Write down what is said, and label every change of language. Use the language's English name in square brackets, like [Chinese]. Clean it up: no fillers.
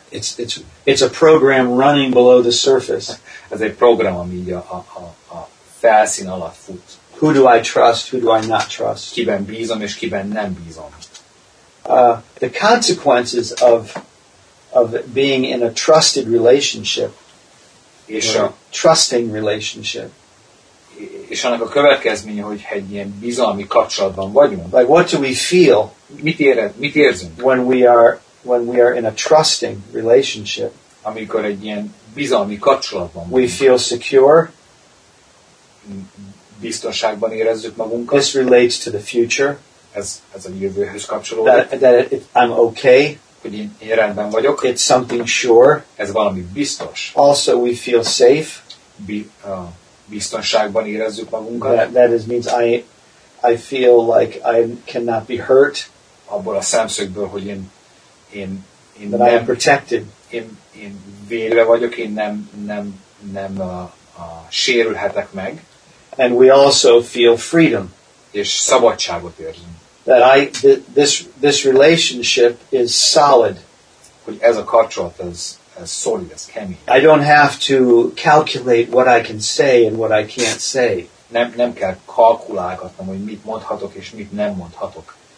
[English] It's a program running below the surface. [Hungarian] Ez egy program, ami a felszín alatt fut. [English] Who do I trust? Who do I not trust? [Hungarian] Kiben bízom és kiben nem bízom. [English] The consequences of being in a trusted relationship [Hungarian] és [English] a trusting relationship. [Hungarian] És annak a következménye, hogy egy ilyen bizalmi kapcsolatban vagyunk. [English] Like what do we feel? [Hungarian] Mit érzünk? [English] When we are in a trusting relationship, [Hungarian] amikor egy ilyen bizalmi kapcsolatban vagyunk. [English] We feel secure. [Hungarian] Biztonságban érezzük magunkat. [English] This relates to the future. [Hungarian] Ez a jövőhöz kapcsolódik. [English] That I'm okay. [Hungarian] Hogy én rendben vagyok. [English] It's something sure. [Hungarian] Ez valami biztos. [English] Also we feel safe. [Hungarian] Biztonságban érezzük magunkat. [English] That is means I feel like I cannot be hurt. [Hungarian] Abból a szemszögből, hogy én [English] that [Hungarian] nem, [English] I am protected. [Hungarian] Én védve vagyok, én nem sérülhetek meg. [English] And we also feel freedom. [Hungarian] És szabadságot érzünk. [English] That this relationship is solid. [Hungarian] Hogy ez a kapcsolat ez szolid, ez kemény. [English] I don't have to calculate what I can say and what I can't say. [Hungarian] Nem kell kalkulálgatnom, hogy mit mondhatok és mit nem mondhatok.